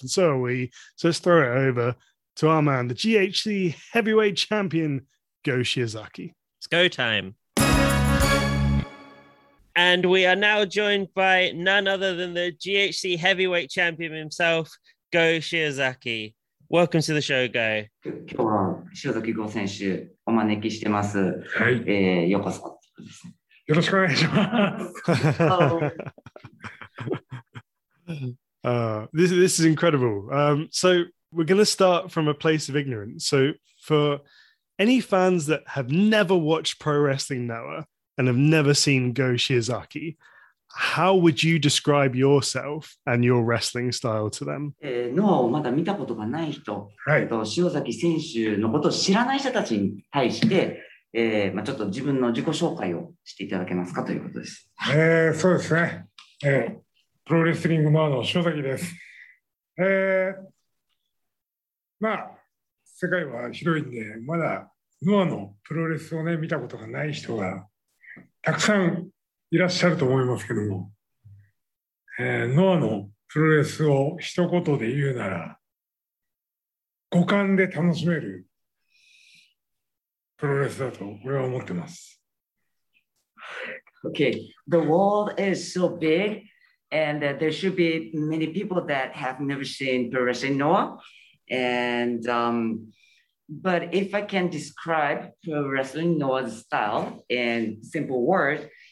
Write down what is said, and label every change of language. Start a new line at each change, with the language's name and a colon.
English: And so are we. So let's throw it over to our man, the GHC Heavyweight Champion, Go Shiozaki. It's go time. And we are now joined by none other than the GHC Heavyweight Champion himself, Go Shiozaki. Welcome to the show, Go.
Japanese: 今日は塩崎選手お招きしてます。はい。ようこそ。よろしくお願いします。
English: This is incredible. So we're going to start from a place of ignorance. So for any fans that have never watched pro wrestling Noah and have never seen Go Shiozaki, how would you describe yourself and your wrestling style to them?
Japanese: Noah をまだ見たことがない人、塩崎選手のことを知らない人たちに対して、ちょっと自分の自己紹介をしていただけますかということです。そうですね。プロレスリングマンの塩崎です。世界は広いんで、まだ Noah のプロレスを、ね、見たことがない人がたくさんいらっしゃると思いますけども、ノアのプロレスを一言で言うなら、五感で楽しめるプロレスだと俺は思ってます。
English: Okay, the world is so big, and there should be many people that have never seen pro wrestling Noah. And but if I can describe pro wrestling Noah's style in simple words.